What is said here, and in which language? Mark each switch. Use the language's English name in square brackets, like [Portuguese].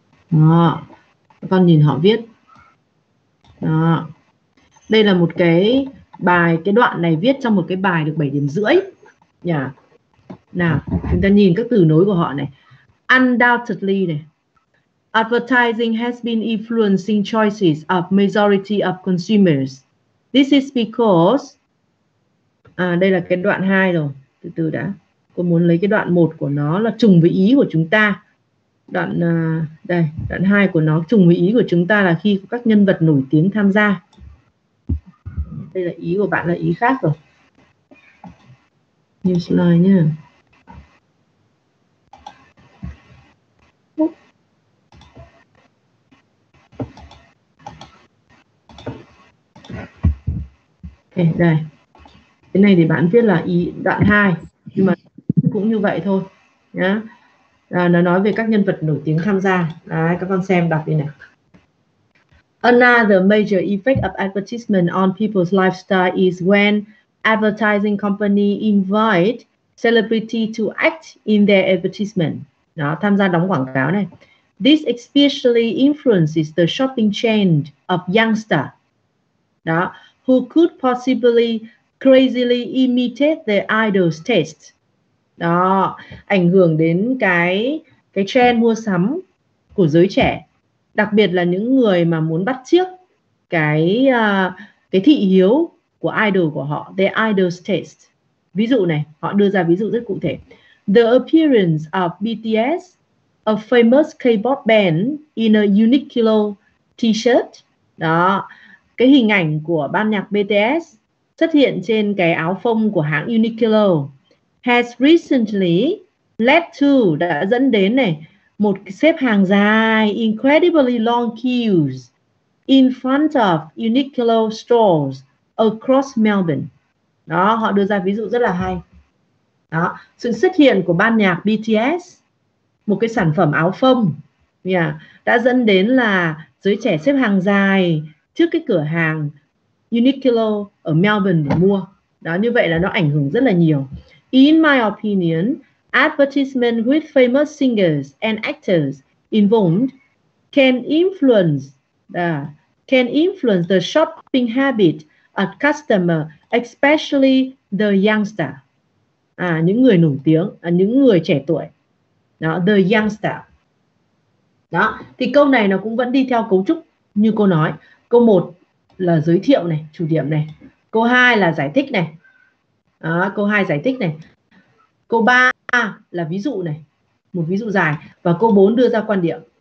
[Vietnamese] Đó. Các con nhìn họ viết. Đó. Đây là một cái bài, cái đoạn này viết trong một cái bài được 7 điểm rưỡi. Nhà. Nào, chúng ta nhìn các từ nối của họ này. [English] Undoubtedly, advertising has been influencing choices of majority of consumers. This is because, [Vietnamese] đây là cái đoạn 2 rồi, từ từ đã. Cô muốn lấy cái đoạn 1 của nó là trùng với ý của chúng ta. Đoạn đây, đoạn 2 của nó trùng với ý của chúng ta là khi có các nhân vật nổi tiếng tham gia. Đây là ý của bạn là ý khác rồi. New slide nhé. Đây. Cái này thì bạn viết là ý đoạn 2 nhưng mà cũng như vậy thôi nhá. À, nó nói về các nhân vật nổi tiếng tham gia. Đấy, các con xem đọc đi nè. [English] Another major effect of advertisement on people's lifestyle is when advertising company invite celebrity to act in their advertisement. [Vietnamese] Đó, tham gia đóng quảng cáo này. [English] This especially influences the shopping trend of youngster. [Vietnamese] Đó. [English] Who could possibly crazily imitate their idol's taste. [Vietnamese] Đó, ảnh hưởng đến cái trend mua sắm của giới trẻ. Đặc biệt là những người mà muốn bắt chước cái thị hiếu của idol của họ, [English] their idol's taste. [Vietnamese] Ví dụ này, họ đưa ra ví dụ rất cụ thể. [English] The appearance of BTS, a famous K-pop band, in a Uniqlo t-shirt. [Vietnamese] Đó, cái hình ảnh của ban nhạc BTS xuất hiện trên cái áo phông của hãng Uniqlo [English] has recently led to, [Vietnamese] đã dẫn đến này, một xếp hàng dài, [English] incredibly long queues in front of Uniqlo stores across Melbourne. [Vietnamese] Đó, họ đưa ra ví dụ rất là hay. Đó, sự xuất hiện của ban nhạc BTS, một cái sản phẩm áo phông, yeah, đã dẫn đến là giới trẻ xếp hàng dài trước cái cửa hàng Uniqlo ở Melbourne để mua. Đó, như vậy là nó ảnh hưởng rất là nhiều. [English] In my opinion, advertisement with famous singers and actors involved can influence the shopping habit of customer, especially the youngster. [Vietnamese] À, những người nổi tiếng, những người trẻ tuổi. Đó, [English] the youngster. [Vietnamese] Đó, thì câu này nó cũng vẫn đi theo cấu trúc như cô nói. Câu 1 là giới thiệu này, chủ điểm này. Câu 2 là giải thích này. Đó, câu 2 giải thích này. Câu 3 là ví dụ này. Một ví dụ dài. Và câu 4 đưa ra quan điểm.